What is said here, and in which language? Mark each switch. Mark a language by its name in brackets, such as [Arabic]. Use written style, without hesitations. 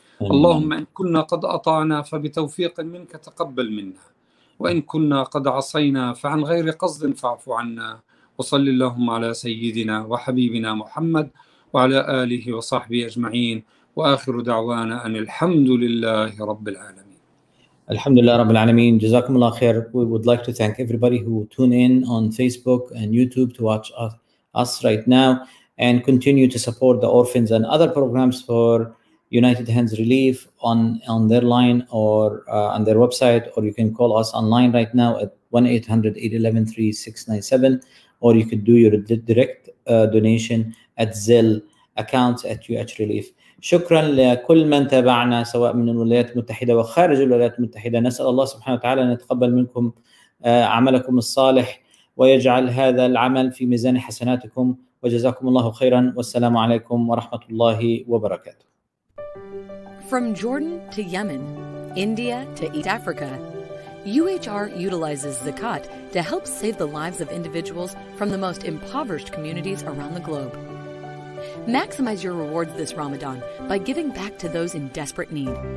[Arabic] اللهم إن كنا قد أطعنا فبتوفيق منك تقبل منا، وإن كنا قد عصينا فعن غير قصد فاعف عنا. وصل اللهم على سيدنا وحبيبنا محمد وعلى آله وصحبه أجمعين، وآخر دعوانا أن الحمد لله رب العالمين. الحمد لله رب العالمين. جزاكم الله خير. [English] We would like to thank everybody who tune in on Facebook and YouTube to watch us right now and continue to support the orphans and other programs for United Hands Relief on their line or on their website, or you can call us online right now at 1-800-811-3697, or you could do your direct donation at Zelle accounts at UHRelief. [Arabic] شكرا لكل من تابعنا سواء من الولايات المتحدة وخارج الولايات المتحدة. نسأل الله سبحانه وتعالى أن يتقبل منكم عملكم الصالح ويجعل هذا العمل في ميزان حسناتكم، وجزاكم الله خيرا، والسلام عليكم ورحمة الله وبركاته. [English] From Jordan to Yemen, India to East Africa, UHR utilizes Zakat to help save the lives of individuals from the most impoverished communities around the globe. Maximize your rewards this Ramadan by giving back to those in desperate need.